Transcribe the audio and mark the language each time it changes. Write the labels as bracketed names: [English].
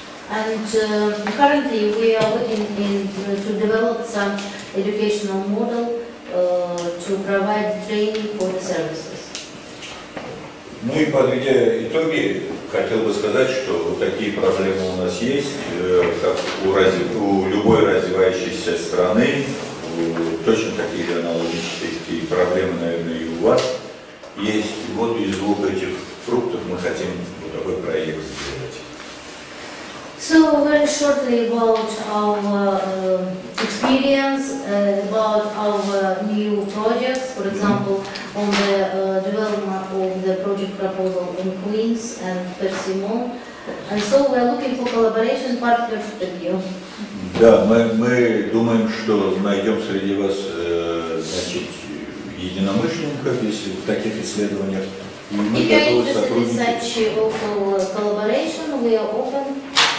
[English] And currently we are looking in to develop some educational model to provide training for the services. [Russian] Ну и подведя итоги, хотел бы сказать, что такие проблемы у нас есть, как у любой развивающейся страны. Точно такие же аналогические проблемы, наверное, и у вас есть. Вот из двух этих фруктов мы хотим вот такой проект сделать. [English] So very shortly about our experience, about our new projects, for example, on the development of the project proposal in Queens and Persimmon. And so we are looking for collaboration partners with you. [Russian] Да, мы думаем, что найдем среди вас значит, единомышленников, если в таких исследованиях. И мы готовы сотрудничать.